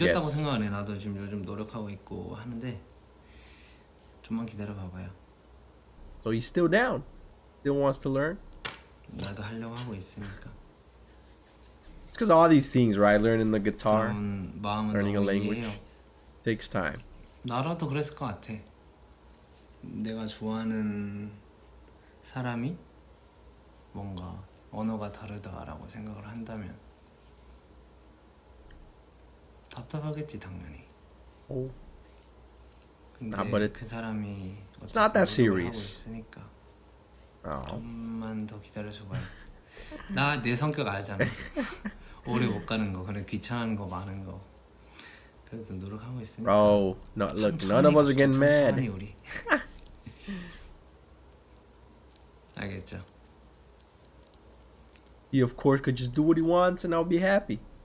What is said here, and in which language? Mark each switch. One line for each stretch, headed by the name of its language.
Korean: 너무 늦었다고 생각하네. 나도 지금 요즘 노력하고 있고 하는데 좀만 기다려봐봐요.
English: So he's still down. Still wants to learn.
Korean: 나도 하려고 하고 있으니까.
English: Because all these things, right? Learning the guitar, learning a language, takes time.
Korean: 나라도 그랬을 것 같아. 내가 좋아하는 사람이 뭔가 언어가 다르다라고 생각을 한다면 답답하겠지 당연히. Oh.
English: But it's
Korean: 그 사람이
English: it's not that serious.
Korean: 있으니까 좀만 더 기다려줘봐요. 나 내 성격 알잖아. 오래 못 가는 거, 그래 귀찮은 거 많은 거. 그래도 노력하고 있으니까.
English: Bro, no, look, none of us are getting mad.
Korean: 우리. 알겠죠.
English: He of course could just do what he wants and I'll be happy.